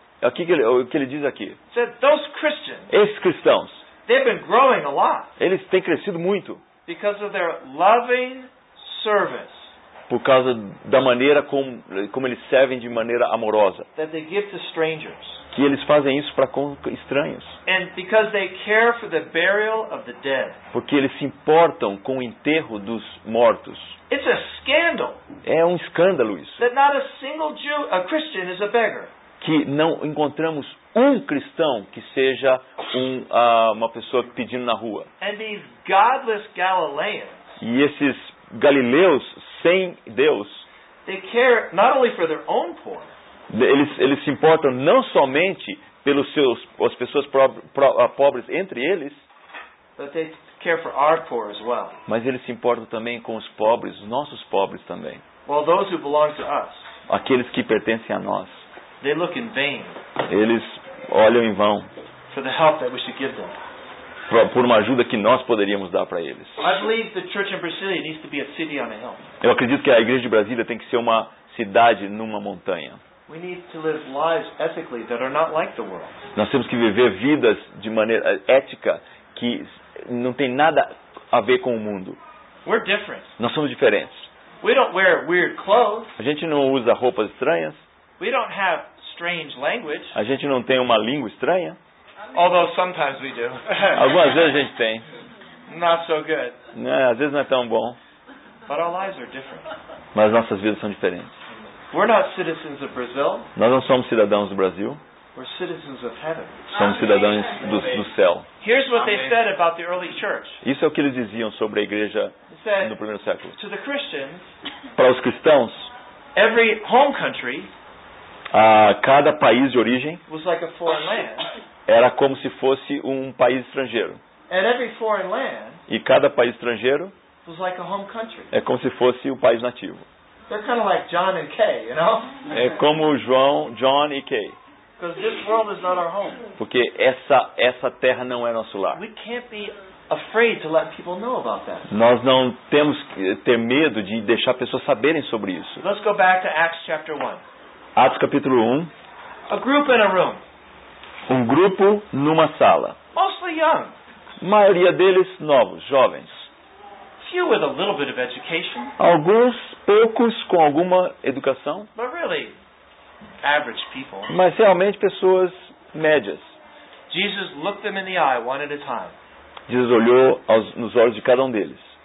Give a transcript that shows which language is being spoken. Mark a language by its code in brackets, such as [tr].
[pt] Aqui o que ele diz aqui. [en] He said, "Those Christians, [pt] esses cristãos, [en] they've been growing a lot. [pt] Eles têm crescido muito. [en] Because of their loving service. [pt] Por causa da maneira como eles servem de maneira amorosa. [en] That they give to strangers. [pt] Que eles fazem isso para com estranhos. [en] And because they care for the burial of the dead. [pt] Porque eles se importam com o enterro dos mortos. [en] It's a scandal. [pt] É um escândalo isso. [en] That not a single Jew, a Christian is a beggar. [pt] Que não encontramos um cristão que seja uma pessoa pedindo na rua. [en] And these godless Galileans, [pt] e esses galileus sem Deus, [en] they care not only for their own poor, [pt] eles se importam não somente pelos seus, as pessoas pobres entre eles, [en] but they care for our poor as well. [pt] Mas eles se importam também com os pobres, os nossos pobres também. [en] Well, those who belong to us, [pt] aqueles que pertencem a nós. [en] They look in vain. [pt] Eles olham em vão. [en] For the help that we should give them. [pt] Por uma ajuda que nós poderíamos dar para eles. [en] I believe the church in Brasilia needs to be a city on a hill. [pt] Eu acredito que a igreja de Brasília tem que ser uma cidade numa montanha. [en] We need to live lives ethically that are not like the world. [pt] Nós temos que viver vidas de maneira ética que não tem nada a ver com o mundo. [en] We're different. [pt] Nós somos diferentes. [en] We don't wear weird clothes. [pt] A gente não usa roupas estranhas. [en] We don't have strange language. [pt] A gente não tem uma língua estranha. [en] Although sometimes we do. [pt] Algumas vezes a gente tem. [en] Not so good. [pt] É, às vezes não é tão bom. [en] But our lives are different. [pt] Mas nossas vidas são diferentes. [en] We're not citizens of Brazil. [pt] Nós não somos cidadãos do Brasil. [en] We're citizens of heaven. [pt] Somos cidadãos do céu. [en] Here's what they said about the early church. [pt] Isso é o que eles diziam sobre a igreja no primeiro século. [en] To the Christians, [pt] para os cristãos, [en] every home country, [pt] cada país de origem [en] like a foreign land. [pt] Era como se fosse um país estrangeiro. [en] And every foreign land, [pt] e cada país estrangeiro [en] was like a home country. [pt] É como se fosse o país nativo. [en] They're kind of like John and Kay, you know? [pt] É como João, John e Kay. [en] Because this world is not our home. [pt] Porque essa terra não é nosso lar. [en] We can't be afraid to let people know about that. [pt] Nós não temos que ter medo de deixar pessoas saberem sobre isso. [en] Let's go back to Acts chapter 1. [pt] Atos capítulo 1. [en] A group in a room. [pt] Um grupo numa sala. [en] Mostly young. [pt] Maioria deles novos, jovens. [en] Few with a little bit of education. [pt] Alguns poucos com alguma educação. [en] But really, average people. [pt] Mas realmente pessoas médias. [en] Jesus looked them in the eye one at a time. [pt] Jesus olhou nos olhos de cada um deles.